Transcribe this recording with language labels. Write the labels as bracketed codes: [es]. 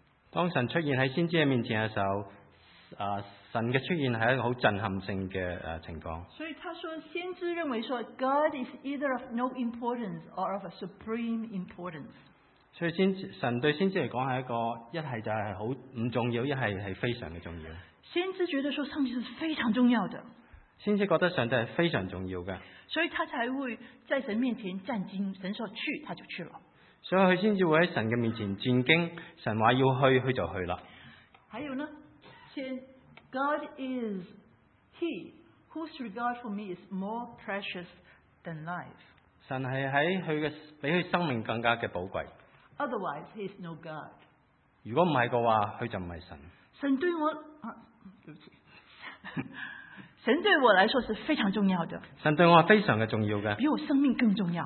[zh] 当神出现在先知的面前的时候，神的出现是一个很震撼性的情况。所以他说，先知认为说 [en] God is either of no importance or of a supreme importance。 [zh] 所以神对先知来说是一个一是就是很不重要，一是是非常的重要。先知觉得说上帝是非常重要的，先知觉得上帝是非常重要的，所以他才会在神面前站经，神说去他就去了，所以他才会在神的面前战经，神说要去他就去了。还有呢，先 [en] God is he whose regard for me is more precious than life。 [zh] 神是在他的比他生命更加的宝贵。 [en] Otherwise he is no God。 [zh] 如果不是的话，他就不是神。神对我对不起，神对我来说是非常重要的。神对我非常的重要的，比我生命更重要，